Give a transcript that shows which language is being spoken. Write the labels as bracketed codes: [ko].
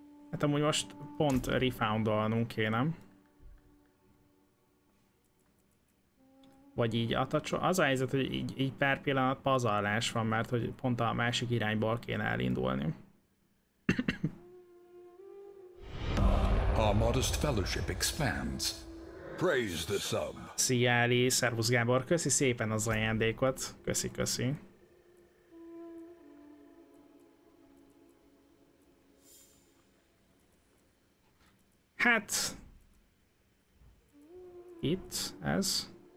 [hu] Hát amúgy most pont refoundolnunk kéne. Vagy így atacsol. Az a helyzet, hogy így per pillanat pazarlás van, mert hogy pont a másik irányból kéne elindulni. [en] A Modest Fellowship expands. Praise the sub. [hu] Szia Eli, szervusz Gábor, köszi szépen az ajándékot, köszi. Hát... itt, ez.